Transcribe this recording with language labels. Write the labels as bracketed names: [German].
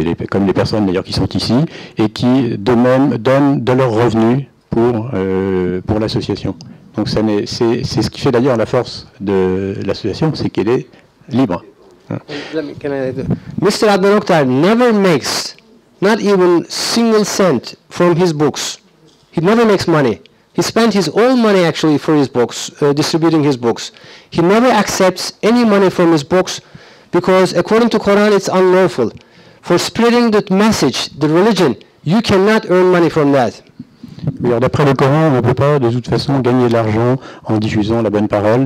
[French] Comme les personnes d'ailleurs qui sont ici, et qui de même donnent de leurs revenus pour l'association. Donc c'est ce qui fait d'ailleurs la force de l'association, c'est qu'elle est libre. [English] Mr. Adnan Oktar never makes not even single cent from his books. He never makes money. He spent his own money actually for his books, distributing his books. He never accepts any money from his books, because according to Quran, it's unlawful. For spreading the message, the religion, you cannot earn money from that. [French] Alors, d'après le Coran, on ne peut pas de toute façon gagner de l'argent en diffusant la bonne parole.